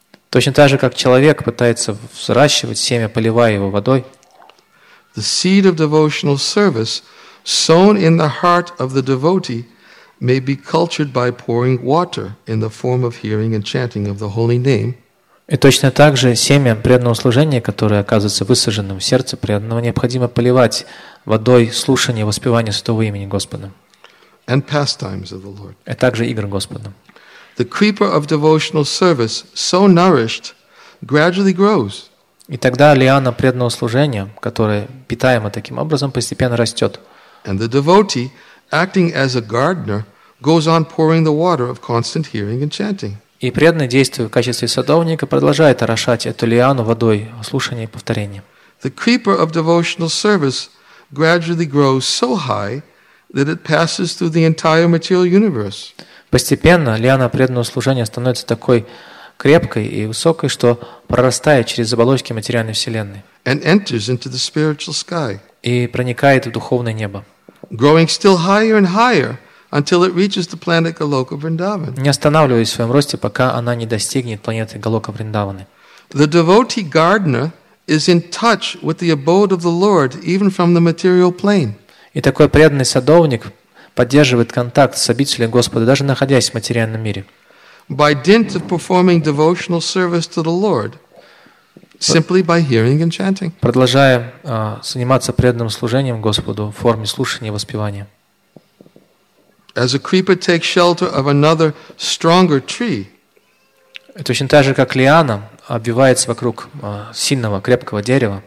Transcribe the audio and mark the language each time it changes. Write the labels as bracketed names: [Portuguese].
[Russian] Точно так же, как человек пытается взращивать семя, поливая его водой. [English] The seed of devotional service sown in the heart of the devotee may be cultured by pouring water in the form of hearing and chanting of the holy name. [Russian] И точно так же семя преданного служения, которое оказывается высаженным в сердце преданного, необходимо поливать водой слушания и воспевания святого имени Господа. [English] And pastimes of the Lord. [Russian] И также игр Господа. [English] The creeper of devotional service, so nourished, gradually grows. [Russian] И тогда лиана преданного служения, которая питаема таким образом, постепенно растет. [English] And the devotee, acting as a gardener, goes on pouring the water of constant hearing and chanting. [Russian] И преданный, действуя в качестве садовника, продолжает орошать эту лиану водой слушания и повторения. [English] The creeper of devotional service gradually grows so high that it passes through the entire material universe. [Russian] Постепенно лиана преданного служения становится такой крепкой и высокой, что прорастает через оболочки материальной вселенной. [English] And enters into the spiritual sky. [Russian] И проникает в духовное небо. [English] Growing still higher and higher. Until it reaches the planet Goloka Vrindavan. [Russian] Не останавливаясь в своем росте, пока она не достигнет планеты Голока Вриндаваны. [English] The devotee gardener is in touch with the abode of the Lord even from the material plane. [Russian] И такой преданный садовник поддерживает контакт с обителем Господа, даже находясь в материальном мире. [English] By dint of performing devotional service to the Lord, simply by hearing and chanting. [Russian] Продолжая заниматься преданным служением Господу в форме слушания и воспевания. [English] As a creeper takes shelter of another stronger tree. [Russian] Это точно так же, как лиана обвивается вокруг сильного, крепкого дерева.